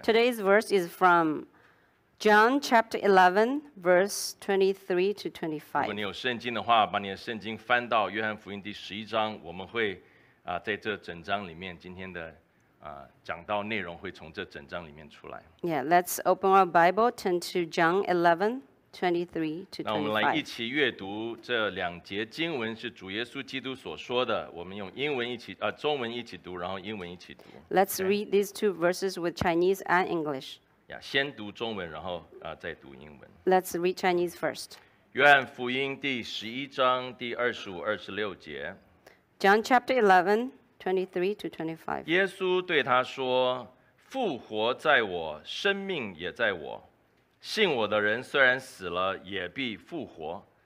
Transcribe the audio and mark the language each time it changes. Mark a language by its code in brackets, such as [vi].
[en] Today's verse is from John chapter 11, verse 23 to 25. [zh] 如果你有圣经的话，把你的圣经翻到约翰福音第十一章，我们会在这整章里面今天的讲到内容会从这整章里面出来。 [en] Yeah, let's open our Bible, turn to John 11:23 to 25. [zh] 那我们来一起阅读这两节经文，是主耶稣基督所说的。我们用英文一起，中文一起读，然后英文一起读。 [en] Let's read these two verses with Chinese and English. [zh] Yeah, 先读中文，然后再读英文。 [en] Let's read Chinese first. [zh] 约翰福音第十一章第二十五、二十六节。 [en] John chapter 11:23 to 25. [zh] 耶稣对他说：“复活在我，生命也在我。信我的人虽然死了，也必复活。